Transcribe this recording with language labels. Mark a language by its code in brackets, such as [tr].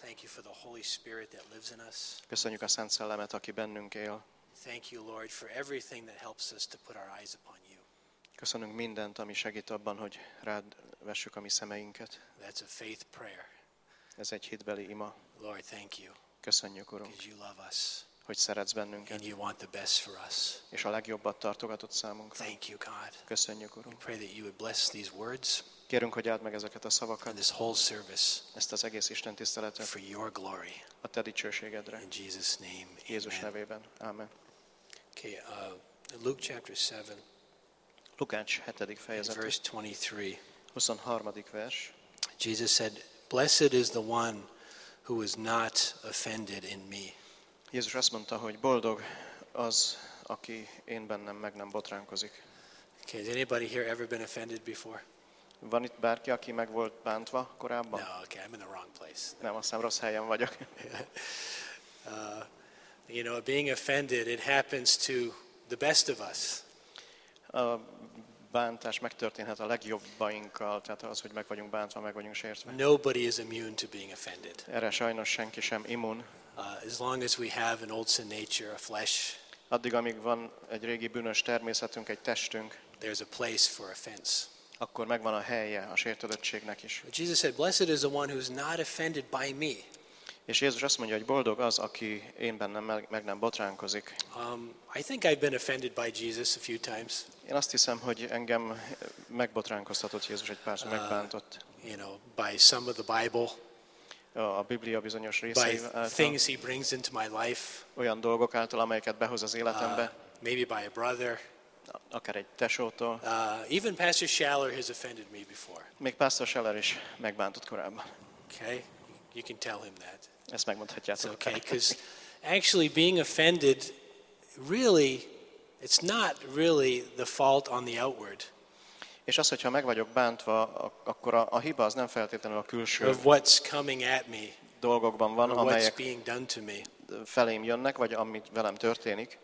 [en] Thank you for the Holy Spirit that lives in us. [hu] Köszönjük a Szent Szellemet, aki bennünk él. [en] Thank you, Lord, for everything that helps us to put our eyes upon you. [hu] Köszönünk mindent, ami segít abban, hogy rád vessük a mi szemeinket. [en] That's a faith prayer. [hu] Ez egy hitbeli ima. [en] Lord, thank you. [hu] Köszönjük, Urunk. [en] Because you love us. [hu] Hogy szeretsz bennünket. [en] And you want the best for us. [hu] És a legjobbat tartogatod számunkra. [en] Thank you, God. [hu] Köszönjük, Urunk. [en] We pray that you would bless these words. [hu] Kérünk, hogy áld meg ezeket a szavakat. [en] And this whole service. [hu] Ezt az egész istentiszteletet. [en] For your glory. [hu] A te dicsőségedre. [en] In Jesus' name. [hu] Jézus nevében. Amen. [en] Okay, Luke chapter 7. [hu] Lukács 7. fejezet. [en] Verse 23. [hu] 23. vers. [en] Jesus said, "Blessed is the one who is not offended in me." [hu] Jézus azt mondta, hogy boldog az, aki én bennem meg nem botránkozik. [en] Okay, has anybody here ever been offended before? [hu] Van itt bárki, aki meg volt bántva korábban? [en] No, okay, I'm in the wrong place. [hu] Nem, azt hiszem, rossz helyen vagyok. [en] You know, being offended, it happens to the best of us. [hu] A bántás megtörténhet a legjobbainkkal, tehát az, hogy meg vagyunk bántva, meg vagyunk sértve. [en] Nobody is immune to being offended. [hu] Erre sajnos senki sem immun. [en] As long as we have an old sin nature, a flesh. [hu] Addig, amíg van egy régi bűnös természetünk, egy testünk. [en] There's a place for offense. [hu] Akkor megvan a helye a sértődöttségnek is. [en] Jesus said, "Blessed is the one who's not offended by me." [hu] És Jézus azt mondja, hogy boldog az, aki én bennem meg nem botránkozik. [en] I think I've been offended by Jesus a few times. [hu] Én azt hiszem, hogy engem megbotránkoztatott Jézus egy párszor, megbántott. [en] You know, by some of the Bible. [hu] A Biblia bizonyos részeivel. [en] By things he brings into my life. [hu] Olyan dolgok által, amelyeket behoz az életembe. [en] Maybe by a brother. [hu] Akár egy tesótól. [en] Even Pastor Schaller has offended me before. [hu] Még Pastor Schaller is megbántott korábban. [en] Okay. You can tell him that. [hu] Ezt megmondhatjátok. [en] It's okay, because actually being offended, really, it's not really the fault on the outward. [hu] És az, hogyha meg vagyok bántva, akkor a hiba az nem feltétlenül a külső. [en] Of what's coming at me. [hu] Dolgokban van, amelyek [en] being done to me. [hu] Felém jönnek, vagy amit velem történik.